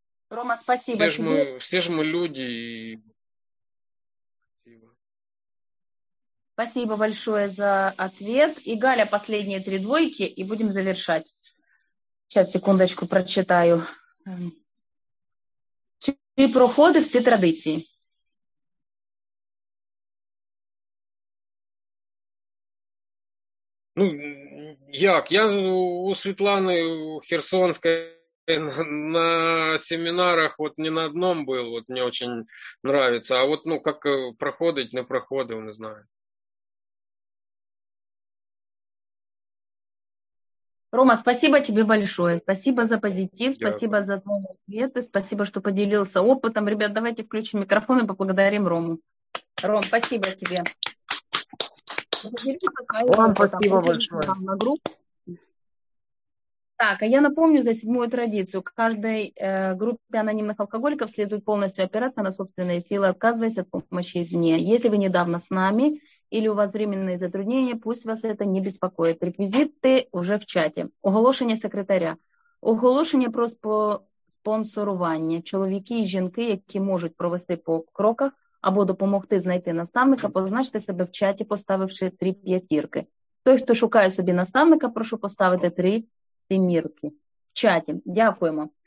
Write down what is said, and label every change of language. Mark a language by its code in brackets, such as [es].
[ru] Рома, спасибо тебе. Все же мы люди. И... Спасибо большое за ответ. И Галя, последние 3 двойки, и будем завершать. Сейчас, секундочку, прочитаю. [uk] Чи проходив ці традиції? Ну, як? Я у Світлани Херсонської [ru] На семинарах вот не на одном был, вот мне очень нравится. А вот, ну, как проходить, не проходил, не знаю. Рома, спасибо тебе большое. Спасибо за позитив, спасибо за твои ответы, спасибо, что поделился опытом. Ребят, давайте включим микрофон и поблагодарим Рому. Ром, спасибо тебе. Вам спасибо большое. Так, а я напомню за седьмую традицию. К каждой группе анонимных алкоголиков следует полностью опираться на собственные силы, отказываясь от помощи извне. Если вы недавно с нами или у вас временные затруднения, пусть вас это не беспокоит. Реквизиты уже в чате. [uk] Оголошення секретаря. Оголошення про спонсорування. Чоловіки і жінки, які можуть провести по кроках або допомогти знайти наставника, позначте себе в чаті, поставивши 3 п'ятірки. Той, хто шукає собі наставника, прошу поставити 3 сімірки. В чаті. Дякуємо.